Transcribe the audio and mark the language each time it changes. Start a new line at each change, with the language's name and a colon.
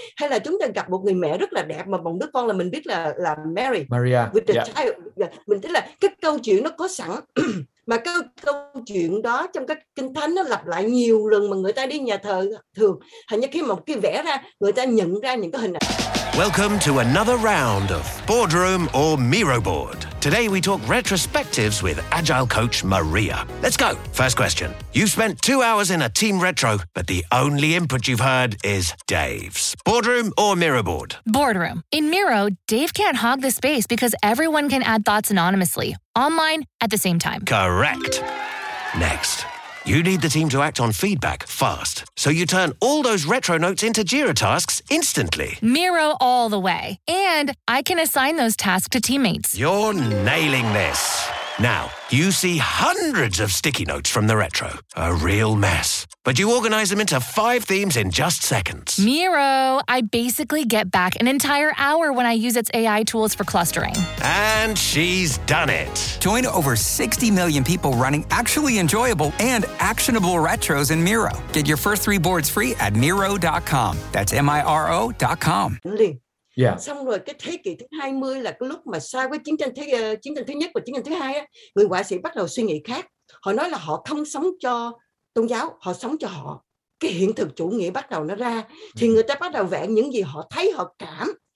Vietnamese: Hay là chúng ta gặp một người mẹ rất là đẹp mà bồng đứa con là mình biết là Mary. Maria.
English: With the child.
Vietnamese: Mình thấy là cái câu chuyện nó có sẵn. Mà cái câu chuyện đó trong các kinh thánh nó lặp lại nhiều lần, mà người ta đi nhà thờ thường, hình như khi mà một cái vẽ ra, người ta nhận ra những cái hình ảnh.
English: Welcome to another round of Boardroom or Miro Board. Today we talk retrospectives with Agile Coach Maria. Let's go. First question. You've spent 2 hours in a team retro, but the only input you've heard is Dave's. Boardroom or Miro Board? Boardroom. In Miro, Dave can't hog the space because everyone can add thoughts anonymously, online, at the same time. Correct. Next. You need the team to act on feedback fast, so you turn all those retro notes into Jira tasks instantly. Miro all the way. And I can assign those tasks to teammates. You're nailing this. Now, you see hundreds of sticky notes from the retro. A real mess. But you organize them into 5 themes in just seconds. Miro, I basically get back an entire hour when I use its AI tools for clustering. And she's done it. Join over 60 million people running actually enjoyable and actionable retros in Miro. Get your first 3 boards free at Miro.com. That's Miro.com. Yeah.
Vietnamese: Xong rồi cái thế kỷ thứ 20 là cái lúc mà sau cái chiến tranh thứ nhất và chiến tranh thứ hai á, người họa sĩ bắt đầu suy nghĩ khác. Họ nói là họ không sống cho tôn giáo, họ sống cho họ. Cái hiện thực chủ nghĩa bắt đầu nó ra, thì người ta bắt đầu vẽ những gì họ thấy, họ cảm.